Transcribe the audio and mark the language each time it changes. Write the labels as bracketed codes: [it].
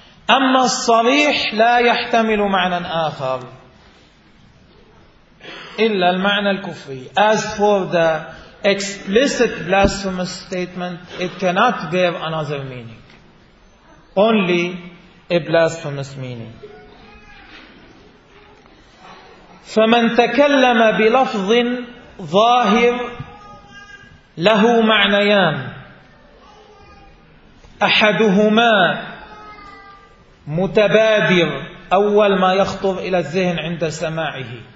[ar] أما الصريح لا يحتمل معنى آخر إلا المعنى الكفري. [en] As for the explicit blasphemous statement, it cannot bear another meaning. Only a blasphemous meaning. [ar] فمن تكلم بلفظ ظاهر له معنيان أحدهما متبادر أول ما يخطر إلى الذهن عند سماعه